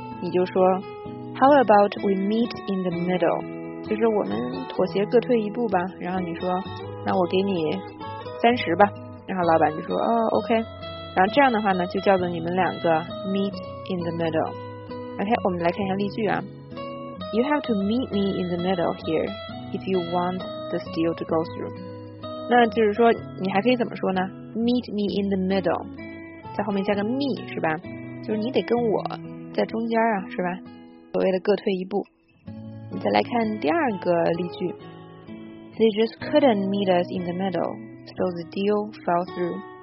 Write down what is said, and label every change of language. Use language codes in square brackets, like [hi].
[zh] 你就说 [en] How about we meet in the middle， [zh] 就是我们妥协各退一步吧。然后你说那我给你30吧，然后老板就说哦 OK， 然后这样的话呢就叫做你们两个 [en] meet in the middle。 [zh] OK， 我们来看一下例句啊。 [en] You have to meet me in the middle here if you want this deal to go through。 [zh] 那就是说你还可以怎么说呢？ [en] Meet me in the middle， [zh] 在后面加个 [en] me， [zh] 是吧？就是你得跟我在中间啊，是吧？所谓的各退一步。你再来看第二个例句 [en] ，They just couldn't meet us in the middle， so the deal fell through。